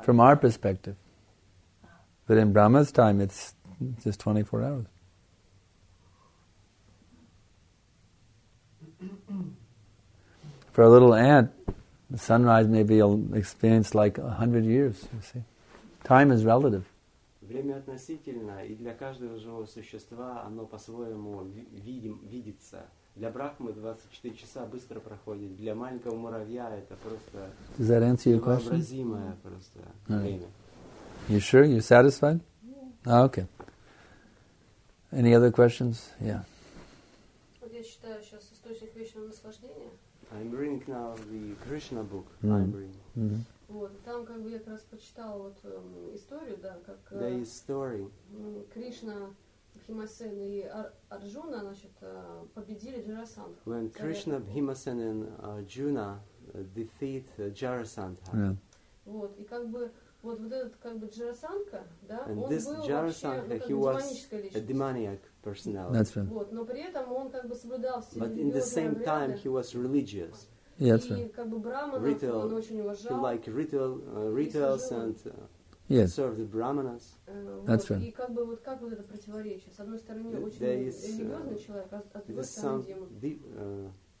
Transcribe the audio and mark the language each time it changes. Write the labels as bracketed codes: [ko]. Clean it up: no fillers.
[en] from our perspective. But in Brahma's time it's just 24 hours. For a little ant, the sunrise may be experienced like 100 years, you see. Time is relative. [ru] Время относительно, и для каждого живого существа оно по-своему видится. Для Брахмы 24 часа быстро проходит. Для маленького муравья это просто невообразимое просто время. [en] You sure? You satisfied? Yeah. Oh, okay. Any other questions? Yeah. [ru] Вот я считаю сейчас источник вечного наслаждения. [en] I'm reading now the Krishna book. Mm-hmm. Mm-hmm. [ru] Вот там как бы я как раз прочитала вот историю, да, как [en] there is story. [ru] Кришна, Бхимасен и Арджуна, значит, победили Джарасандху. [en] When Krishna, Bhimasen and Arjuna defeat Джарасандху. Yeah. [ru] Вот и как бы вот этот как бы Джарасандха, да, and он был Jarasandha, вообще ну, как демоническая личность. [en] A demoniac. That's right. [ru] Вот, но при этом он как бы соблюдал все. [en] But in the same time he was religious. Yeah, that's right. [ru] И как бы Брахманов он очень уважал. [en] He liked rituals and served the Brahmanas. That's right. [ru] И как бы вот как вот это противоречие. С одной стороны очень религиозный человек, а с другой стороны демон.